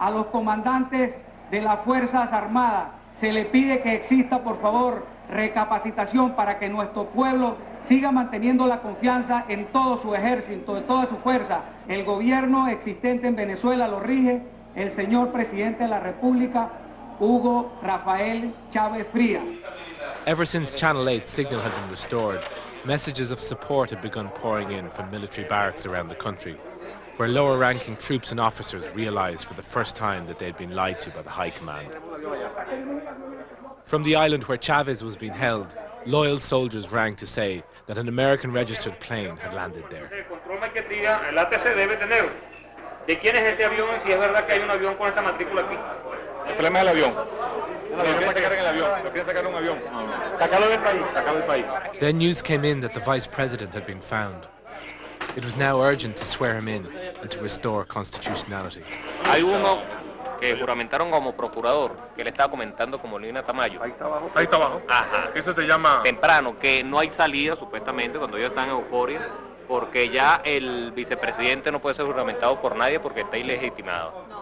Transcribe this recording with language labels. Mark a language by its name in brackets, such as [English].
[Spanish] A los comandantes de las Fuerzas Armadas se le pide que exista, por favor, recapacitación para que nuestro pueblo siga manteniendo la confianza en todo su ejército, en toda su fuerza. El gobierno existente en Venezuela lo rige el señor presidente de la República, Hugo Rafael Chávez Frías. [English] Ever since Channel 8 signal had been restored, messages of support had begun pouring in from military barracks around the country, where lower-ranking troops and officers realized for the first time that they had been lied to by the high command. From the island where Chávez was being held, loyal soldiers rang to say that an American-registered plane had landed there. [Spanish] El ATC debe tener. ¿De quién es este avión? Si es verdad que hay un avión con esta matrícula aquí. El problema es el avión. Lo quieren sacar en el avión. Sácalo del país. [English] Then news came in that the vice president had been found. It was now urgent to swear him in and to restore constitutionality. [Spanish] Hay uno que juramentaron como procurador, que le estaba comentando como Lina Tamayo. Ahí está abajo. Ajá. Ese se llama... Temprano, que no hay salida, supuestamente, cuando ellos están en euforia, porque ya el vicepresidente no puede ser juramentado por nadie porque está ilegitimado.